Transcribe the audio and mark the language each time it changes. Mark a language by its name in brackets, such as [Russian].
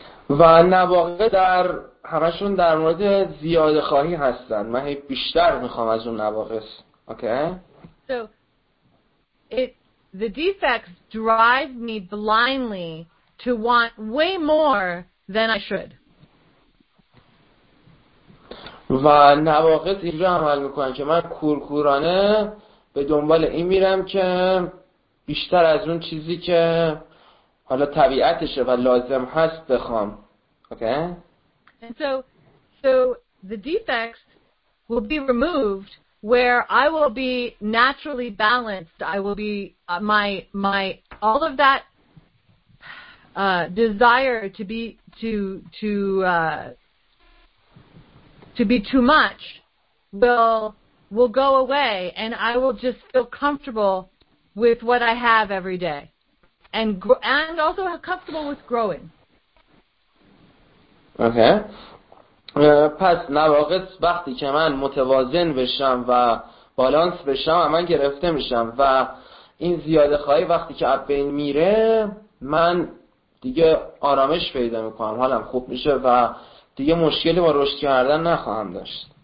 [Persian] و نواقع در همشون در مورد زیاده خواهی هستن. من هی بیشتر میخوام از اون نواقص. [English] Okay. So the defects drive me blindly to want way more than I should. [Persian] و نواقص اینجا عمل میکنن که من کورکورانه به دنبال این میرم که بیشتر از اون چیزی که حالا طبیعتشه و لازم هست بخوام. [English] Okay. And so the defects will be removed where I will be naturally balanced. I will be my all of that desire to be too much will go away, and I will just feel comfortable with what I have every day, and also comfortable with growing. Okay. [Persian] پس نواقص وقتی که من متوازن بشم و بالانس بشم و من گرفته میشم و این زیاده خواهی وقتی که اب بین میره من دیگه آرامش پیدا میکنم، حالم خوب میشه و دیگه مشکلی با رشد کردن نخواهم داشت.